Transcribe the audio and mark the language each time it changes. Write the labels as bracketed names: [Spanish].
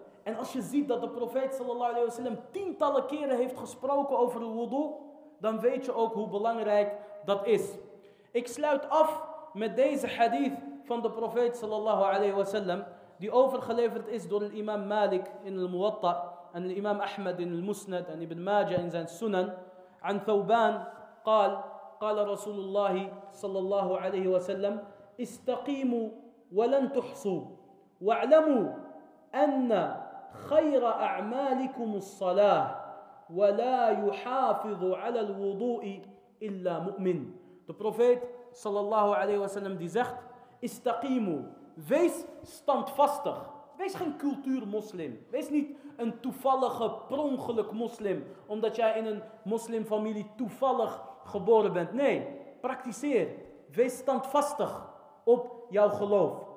[Dutch] En als je ziet dat de profeet sallallahu alayhi wa sallam tientallen keren heeft gesproken over het wudu, dan weet je ook hoe belangrijk dat is. Ik sluit af met deze hadith van de profeet sallallahu alayhi wa sallam, die overgeleverd is door imam Malik in de Muwatta en imam Ahmed in de Musnad en Ibn Majah in zijn Sunan. [Arabic] عن ثوبان قال قال رسول الله صلى الله عليه وسلم استقيموا ولن تحصوا واعلموا أن خير أعمالكم الصلاة ولا يحافظ على الوضوء إلا مؤمن. [English] The Prophet [Dutch] صلى الله عليه وسلم die zegt استقيموا, wees standvastig, wees geen cultuur moslim, wees niet een toevallige, prongelijk moslim, omdat jij in een moslimfamilie toevallig geboren bent. Nee, praktiseer. Wees standvastig op jouw geloof.